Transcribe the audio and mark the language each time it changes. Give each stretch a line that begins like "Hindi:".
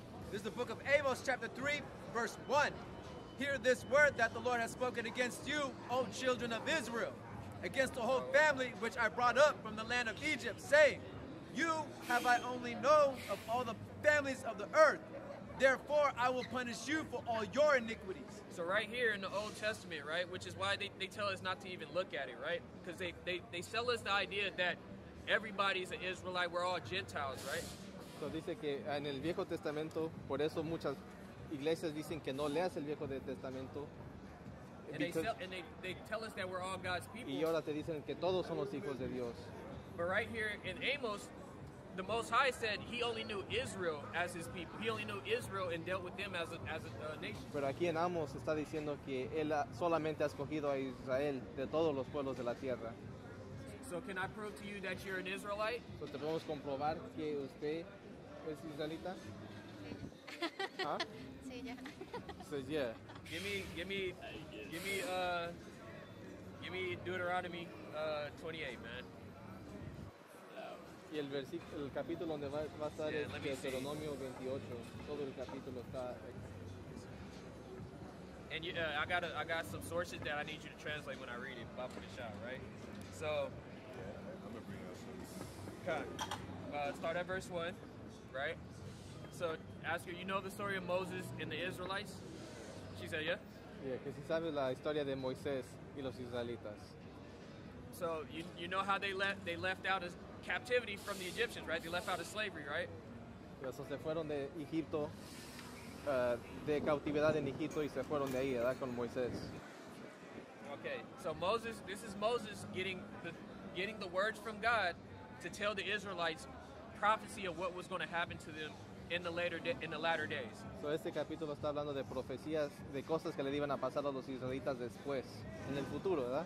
English: This is the book of Amos, chapter 3, verse 1. Hear this word that the Lord has spoken against you, O children of Israel, against the whole family which I brought up from the land of Egypt, saying, you have I only known of all the families of the earth. Therefore, I will punish you for all your iniquities. So right here in the Old Testament, right, which is why they tell us not to even look at it, right? Because they sell us the idea that everybody's an Israelite, we're all Gentiles, right?
Spanish: So dice que en el Viejo Testamento, por eso muchas iglesias dicen que no leas el Viejo Testamento.
English: And they tell us that we're all God's people.
Spanish: Y ahora te dicen que todos somos hijos de Dios.
English: But right here in Amos, the Most High said he only knew Israel as his people. He only knew Israel and dealt with them as a nation.
Spanish: Pero aquí en Amos está diciendo que él solamente ha escogido a Israel de todos los pueblos de la tierra.
English: So can I prove to you that you're an Israelite?
Spanish: So te podemos comprobar que usted es israelita? Sí. Huh? Sí, ya.
English: Says yeah. Give me Deuteronomy 28, man.
Spanish: Y el capítulo donde va a estar es Deuteronomio 28. Todo el capítulo está.
English: And you, I got some sources that I need you to translate when I read it. But I'll put it out, right? So. Yeah, I'm gonna bring out some. Okay. Start at verse 1, right? Elsa asked her, you know the story of Moses and the Israelites? She said, yeah.
Spanish: Yeah, que si sabe la historia de Moisés y los Israelitas.
English: So you know how they left out of captivity from the Egyptians, right? They left out of slavery, right?
Spanish: Eso se fueron de Egipto, de cautividad en Egipto y se fueron de ahí, ¿verdad? Con Moisés.
English: Okay, so Moses, this is Moses getting the words from God to tell the Israelites prophecy of what was going to happen to them in the latter days.
Spanish: So este capítulo está hablando de profecías de cosas que le iban a pasar a los israelitas después, en el futuro, ¿verdad?